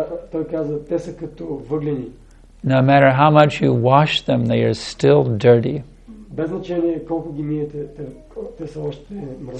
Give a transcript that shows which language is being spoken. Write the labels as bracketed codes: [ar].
[bg] Той каза, те са като въглени. [en] No matter how much you wash them, they are still dirty. [bg] Без значение колко ги миете, те са още мръсни.